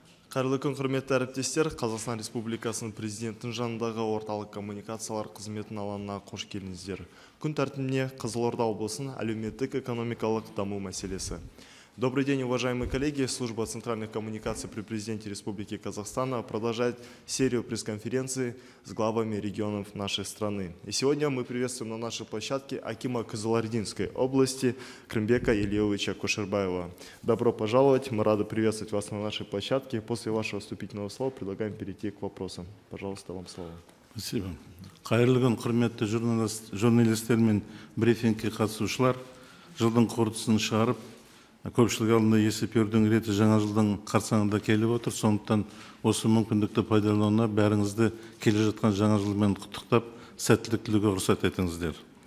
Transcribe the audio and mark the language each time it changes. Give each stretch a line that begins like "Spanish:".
Kazakh: Қайырлы күн, құрметті әріптестер, Қазақстан Республикасының президентінің жанындағы орталық коммуникациялар қызметінің алаңына қош келдіңіздер. Күн тәртібіне Қызылорда облысының әлеуметтік-экономикалық даму мәселесі.
Russian: Добрый день, уважаемые коллеги. Служба центральных коммуникаций при президенте Республики Казахстана продолжает серию пресс-конференций с главами регионов нашей страны. И сегодня мы приветствуем на нашей площадке акима Кызылординской области Крымбека Ильевича Кошербаева. Добро пожаловать. Мы рады приветствовать вас на нашей площадке. После вашего вступительного слова предлагаем перейти к вопросам. Пожалуйста, вам слово. Спасибо.
Kazakh: Қайырлы күн, құрметті журналистер мен брифингке қатысушылар. Жылдың қорытындысын шығарып, көпшілік алдында есеп берудің реті жаңа жылдың қарсаңында келіп отыр. Сондықтан осы мүмкіндікті пайдалануына бәріңізді келе жатқан жаңа жылмен құттықтап, сәттілік тілеуге рұқсат етіңіздер.